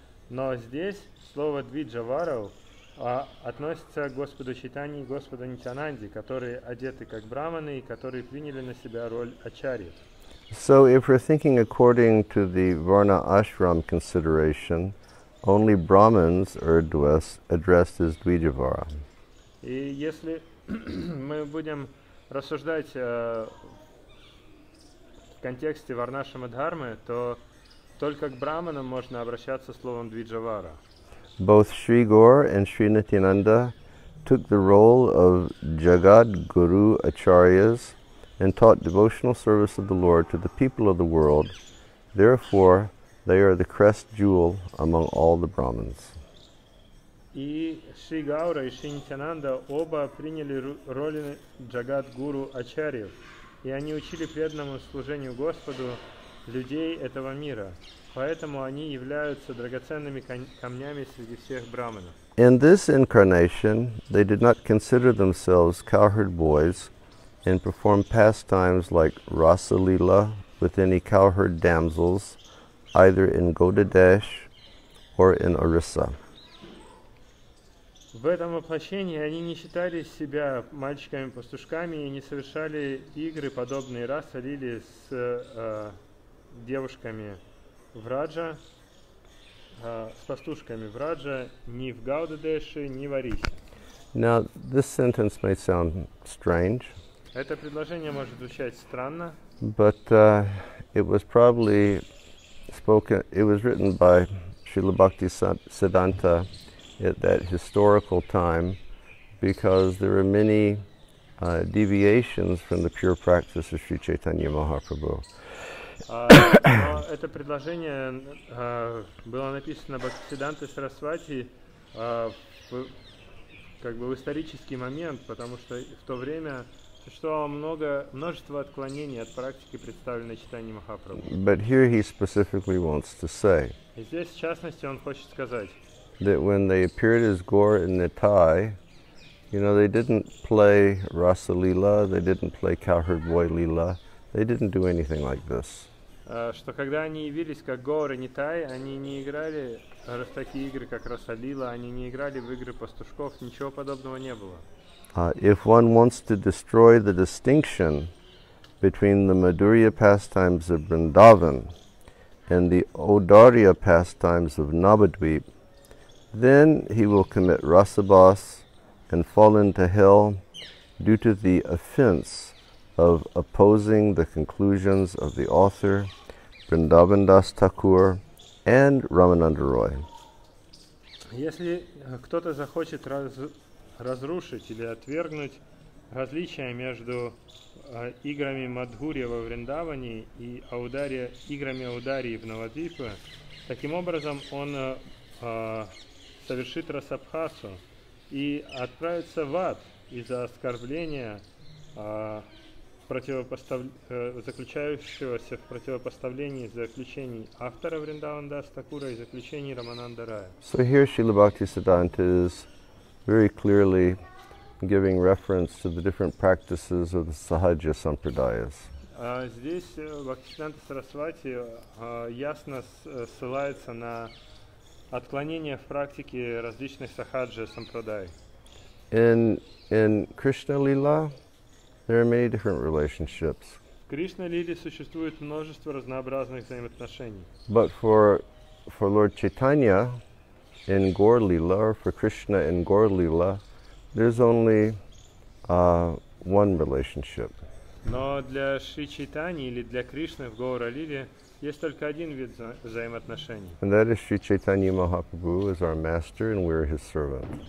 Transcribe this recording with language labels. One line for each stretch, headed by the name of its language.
Russian: Но здесь слово Двиджаваро относится к Господу Чайтанье и Господу Нитянанде, которые одеты как браманы и которые приняли на себя роль ачарьев.
English: So if we're thinking according to the Varna Ashram consideration, only Brahmins are addressed as Dvijavara.
Russian: И если мы будем рассуждать в контексте Варнашрама Дхармы, то только к Брахманам можно обращаться словом Dvijavara.
English: Both Sri Gaur and Sri Nityananda took the role of Jagad Guru Acharyas and taught devotional service of the Lord to the people of the world. Therefore, they are the crest jewel among all the Brahmins.
Russian: И Шри Гаура и Шри Нитянанда оба приняли роли Джагат Гуру Ачарьев, и они учили преданному служению Господу людей этого мира. Поэтому они являются драгоценными камнями среди всех Брахманов.
English: In this incarnation, they did not consider themselves cowherd boys and perform pastimes like Rasa Lila with any cowherd damsels, either in Godadesh or in Orissa.
Russian: В этом воплощении они не считали себя мальчиками-пастушками и не совершали игры, подобные Раса Лили с девушками в Раджа, с пастушками в Раджа, ни в Гаудадеше, ни в Орисе.
English: Now, this sentence may sound strange.
Russian: Это предложение может звучать странно.
English: But it was probably spoken, it was written by Srila Bhakti Siddhanta at that historical time because there were many deviations from the pure practice of Sri Chaitanya Mahaprabhu.
Russian: Это предложение было написано Бхактисиддханта Сарасвати в исторический момент, потому что в то время Существовало множество отклонений от практики, представленной читанием Махапрабху.
English: But here he specifically wants to say.
Russian: И здесь, в частности, он хочет сказать.
English: That when they appeared as Gaur and Nitai, you know, they didn't play Rasa Lila, they didn't play Cowherd Boy Lila, they didn't do anything like this.
Russian: Что когда они явились как Гор и Нитай, они не играли в такие игры, как Раса Лила, они не играли в игры пастушков, ничего подобного не было.
English: If one wants to destroy the distinction between the Madhurya pastimes of Vrindavan and the Audarya pastimes of Navadvip, then he will commit rasabhas and fall into hell due to the offense of opposing the conclusions of the author, Vrindavan Das Thakur, and Ramananda Roy.
Russian: Если кто-то захочет разрушить или отвергнуть различия между играми Мадхурья во Вриндаване и играми Аударии в Навадвипе, таким образом он совершит расабхасу и отправится в ад из-за оскорбления заключающегося в противопоставлении заключений автора Вриндаван Дас Такура и заключений Рамананда Рая.
English: So here Srila Bhakti Siddhanta is very clearly giving reference to the different practices of the Sahaja Sampradayas.
Russian: Здесь Бхактисиддханта Сарасвати ясно ссылается на отклонения в практике различных Сахаджа Сампрадай.
English: In Krishna Lila, there are many different relationships.
Russian: В Кришна-лиле существует множество разнообразных взаимоотношений.
English: But for Lord Chaitanya in Gaur Lila, or for Krishna in Gaur Lila, there's only one relationship.
Russian: Но для Шри Чайтаньи или для Кришны в Гаур-лиле есть только один вид взаимоотношений.
English: And that is Sri Chaitanya Mahaprabhu is our master and we're his servant.